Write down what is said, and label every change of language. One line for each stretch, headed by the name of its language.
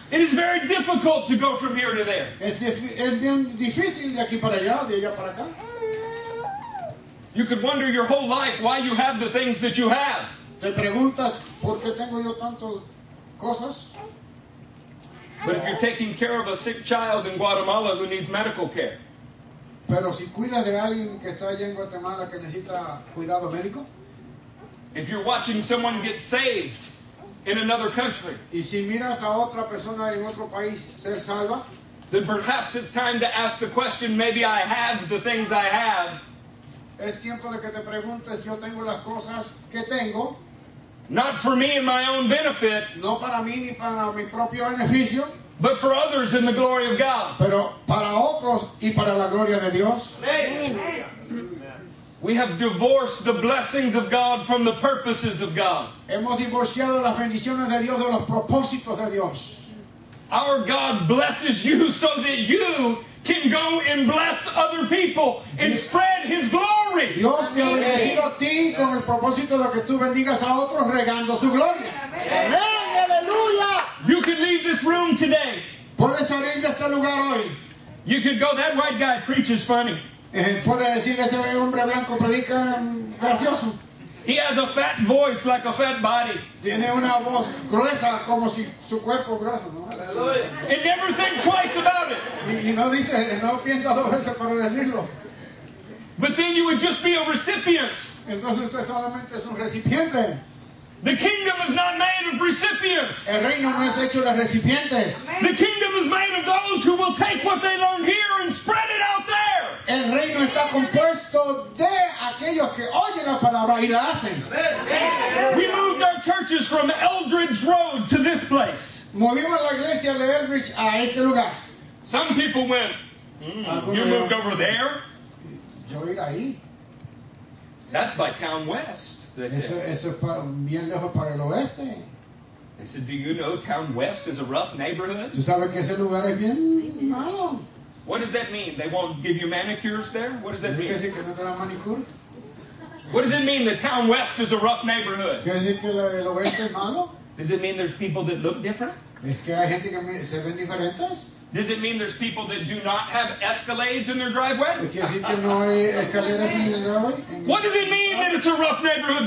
English: It is very difficult to go from here to there.
Spanish: Es bien difícil de aquí para allá, de allá para acá.
English: You could wonder your whole life why you have the things that you have.
Spanish: Te preguntas por qué tengo yo tantas cosas.
English: But if you're taking care of a sick child in Guatemala who needs medical care.
Spanish: Pero si cuidas de alguien que está allá en Guatemala que necesita cuidado médico.
English: If you're watching someone get saved in another country,
Spanish: y si miras a otra persona en otro país ser salva,
English: then perhaps it's time to ask the question, maybe I have the things I have.
Spanish: Es tiempo de que te preguntes, yo tengo las cosas que tengo.
English: Not for me and my own benefit,
Spanish: no para mí ni para mi propio beneficio,
English: but for others in the glory of God.
Spanish: Pero para otros y para la gloria de Dios.
English: We have divorced the blessings of God from the purposes of God.
Spanish: Hemos divorciado las bendiciones de Dios de los propósitos de Dios.
English: Our God blesses you so that you can go and bless other people and spread his glory.
Spanish: Dios te ha bendecido a ti con el propósito de que tú bendigas a otros regando su gloria. Amén, aleluya.
English: You can leave this room today.
Spanish: Puedes salir de este lugar hoy.
English: You can go, that white guy preaches funny.
Spanish: Puede decir ese hombre blanco predica gracioso.
English: He has a fat voice like a fat body.
Spanish: Tiene una voz gruesa como si su cuerpo grueso, ¿no?
English: Aleluya. And never think twice about it.
Spanish: Y no dice, no piensa dos veces para decirlo.
English: But then you would just be a recipient.
Spanish: Entonces usted solamente es un recipiente.
English: The kingdom is not made of recipients.
Spanish: El reino no es hecho de recipientes.
English: Amen. The kingdom is made of those who will take what they learn here and spread it out there.
Spanish: El reino está compuesto de aquellos que oyen la palabra y la hacen.
English: We moved our churches from Eldridge Road to this place.
Spanish: Movimos la iglesia de Eldridge a este lugar.
English: Some people went, you moved over there?
Spanish: Yo ir ahí.
English: That's by town west, they said.
Spanish: Eso es bien lejos para el oeste.
English: They said, do you know town west is a rough neighborhood?
Spanish: ¿Tú sabes que ese lugar es bien malo?
English: What does that mean? They won't give you manicures there? What does that mean?
Spanish: ¿Qué decir que no te dan manicure?
English: What does it mean that town west is a rough neighborhood?
Spanish: ¿Qué decir que el oeste es malo?
English: Does it mean there's people that look different?
Spanish: ¿Es que hay gente que se ven diferentes?
English: Does it mean there's people that do not have escalades in their driveway? What does it mean that it's a rough neighborhood?